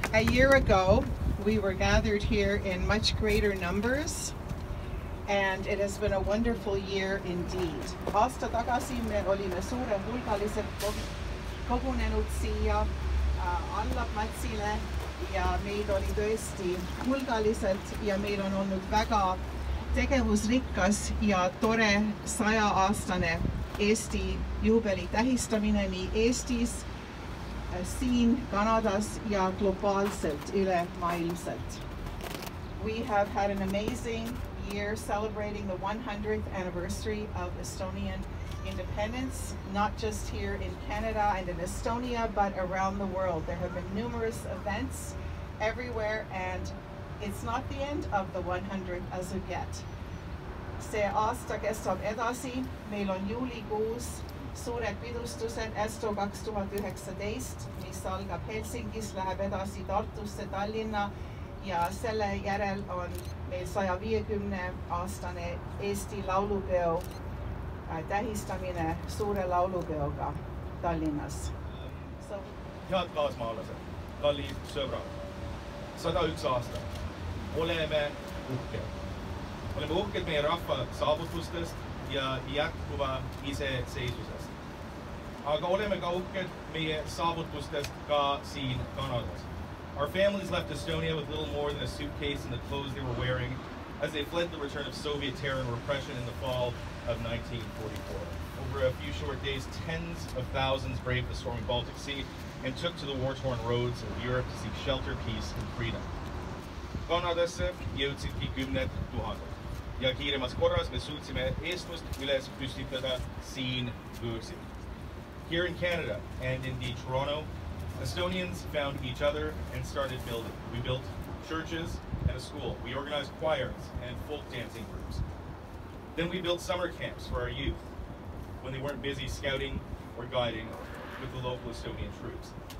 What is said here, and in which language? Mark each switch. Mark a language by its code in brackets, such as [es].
[en] year ago, we were gathered here in much greater numbers, and it has been a wonderful year indeed. [et] Aasta tagasi me olime suure hulgaliselt kogunenud siia alla platsile ja meid oli tõesti hulgaliselt ja meil on olnud väga tegevusrikkas ja tore 100-aastane Eesti juubeli tähistamine nii Eestis, siin Kanadas ja globaalselt üle maailmselt. [en] We have had an amazing year celebrating the 100th anniversary of Estonian independence, not just here in Canada and in Estonia, but around the world. There have been numerous events everywhere, and it's not the end of the 100th as of yet. [et] Se aasta kestab edasi. Meil on juulikuus suured pidustused Esto 2019, mis algab Helsingis, läheb edasi Tartusse, Tallinna, ja selle järel on meil 150-aastane Eesti laulupeo tähistamine suure laulupeoga Tallinnas. Head kaasmaalased, kallid sõbrad, 101 aasta, oleme uhked. Oleme uhked meie rahva saavutustest ja jätkuva iseseisvusest. Aga oleme ka uhked meie saavutustest ka siin Kanadas. [en] Our families left Estonia with little more than a suitcase and the clothes they were wearing as they fled the return of Soviet terror and repression in the fall of 1944. Over a few short days, tens of thousands braved the stormy Baltic Sea and took to the war-torn roads of Europe to seek shelter, peace, and freedom. [et] Kanadasse jõudsid kümned tuhanded. Ja kiiremas korras me suutsime eestlust üles püstitada siin võõrsid. [en] Here in Canada and indeed Toronto, Estonians found each other and started building. We built churches and a school. We organized choirs and folk dancing groups. Then we built summer camps for our youth when they weren't busy scouting or guiding with the local Estonian troops.